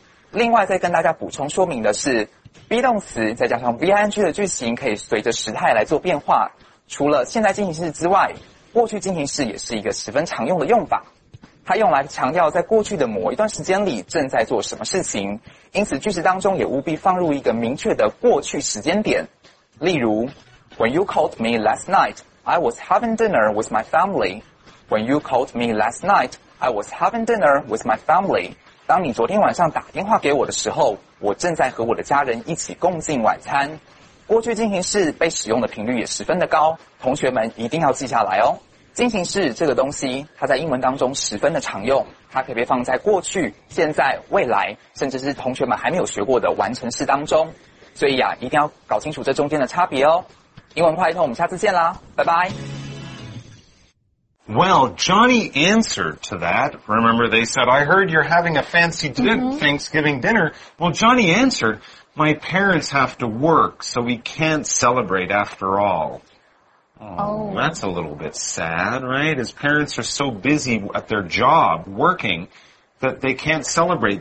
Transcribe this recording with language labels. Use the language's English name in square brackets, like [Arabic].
[Chinese] 另外再跟大家补充说明的是 be 动词再加上 ving 的句型可以随着时态来做变化，除了现在进行式之外，过去进行式也是一个十分常用的用法，它用来强调在过去的某一段时间里正在做什么事情，因此句子当中也务必放入一个明确的过去时间点。 [English] 例如 When you called me last night I was having dinner with my family When you called me last night I was having dinner with my family [Chinese] 当你昨天晚上打电话给我的时候，我正在和我的家人一起共进晚餐。过去进行式被使用的频率也十分的高，同学们一定要记下来哦。进行式这个东西，它在英文当中十分的常用，它可以被放在过去、现在、未来，甚至是同学们还没有学过的完成式当中。所以啊，一定要搞清楚这中间的差别哦。英文快通，我们下次见啦，拜拜。 [English] Well, Johnny answered to that. Remember they said, I heard you're having a fancy Thanksgiving dinner. Well, Johnny answered, my parents have to work, so we can't celebrate after all. Oh, that's a little bit sad, right? His parents are so busy at their job working that they can't celebrate.